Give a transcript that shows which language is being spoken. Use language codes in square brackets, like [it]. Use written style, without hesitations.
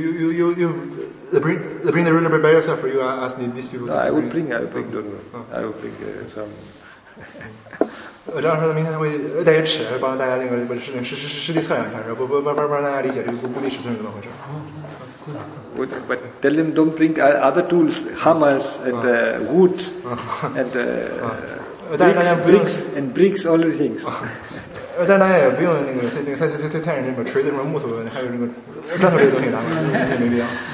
[en] So you bring the ruler by yourself, or you ask these people? I will bring some. [zh] 张老师明天会带个尺帮大家那个不是实地测量一下，然后不让大家理解这个固定尺寸是怎么回事。 [en] But tell them don't bring other tools, hammers and wood and bricks and bricks all the things. [zh] 但大家也不用那个太认真吧，锤子什么木头，还有这个砖头这些东西拿，没必要。